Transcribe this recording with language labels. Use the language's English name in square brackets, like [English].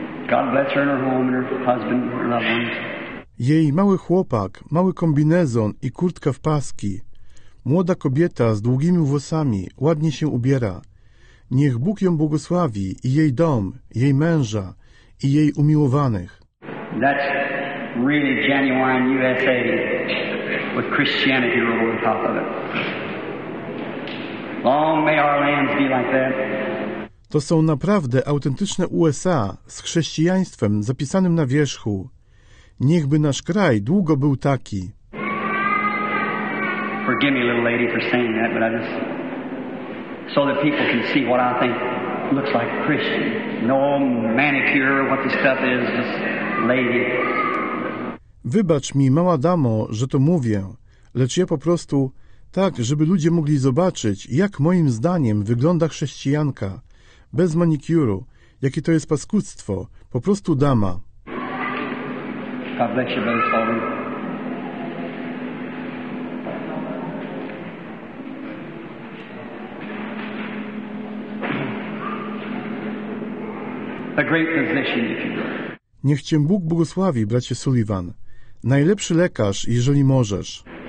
[English] God bless her and her home and her husband and her loved ones. [Polish] Jej mały chłopak, mały kombinezon i kurtka w paski. Młoda kobieta z długimi włosami ładnie się ubiera. Niech Bóg ją błogosławi i jej dom, jej męża i jej umiłowanych. [English] That's really genuine USA with Christianity over the top of it. Long may our lands be like that. [Polish] To są naprawdę autentyczne USA z chrześcijaństwem zapisanym na wierzchu. Niechby nasz kraj długo był taki. [English] Forgive me, little lady, for saying that, but I just so that people can see what I think looks like Christian. No manicure, what this stuff is, just lady. [Polish] Wybacz mi, mała damo, że to mówię, lecz ja po prostu tak, żeby ludzie mogli zobaczyć, jak moim zdaniem wygląda chrześcijanka, bez manicure, jakie to jest paskudztwo, po prostu dama. [English] God bless you both, Father. A great physician, if you will. [Polish] Niech cię Bóg błogosławi, bracie Sullivan. Najlepszy lekarz, jeżeli możesz.